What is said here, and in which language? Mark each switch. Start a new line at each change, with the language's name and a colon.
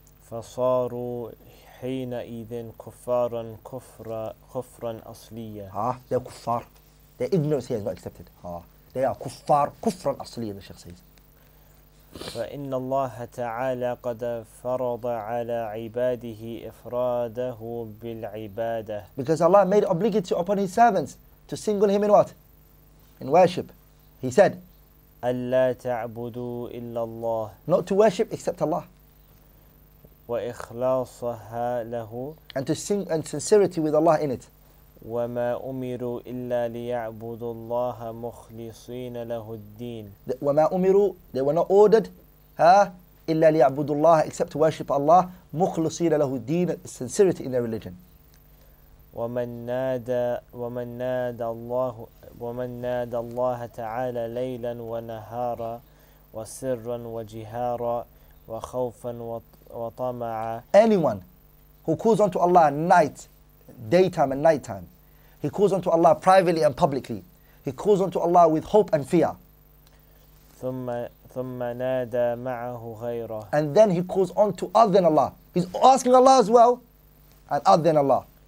Arabic: فَصَارُوا حينئذٍ كُفَّارًا كُفْرًا أَصْلِيًّا.
English: Ah, they're kuffar. Their ignorance here is not accepted. Ah, they are kuffar, kufran asliyan, the Shaykh says.
Arabic: فَإِنَّ اللَّهَ تَعَالَى قَدْ فَرَضَ عَلَىٰ عِبَادِهِ إِفْرَادَهُ بِالْعِبَادَةِ.
English: Because Allah made obligatory upon His servants to single Him in what? In worship. He said,
Arabic: أَلَّا تَعْبُدُوا إِلَّا اللَّهَ.
English: Not to worship except Allah.
Arabic: وإخلاصها له
English: and to sing and sincerity with Allah in it.
Arabic: وما أمروا إلا ليعبدوا الله مخلصين له الدين. وما أمروا
English: they were not ordered,
Arabic: إلا ليعبدوا الله
English: except to worship Allah
Arabic: مخلصين له الدين
English: sincerity in their religion.
Arabic: ومن نادى الله تعالى ليلا ونهارا وسرا وجهارا وخوفا وطمعا.
English: Anyone who calls unto Allah night, daytime and nighttime, he calls unto Allah privately and publicly, he calls unto Allah with hope and fear.
Arabic: ثم نادى معه غيره.
English: And then he calls unto other than Allah. He's asking Allah as well, and other than Allah.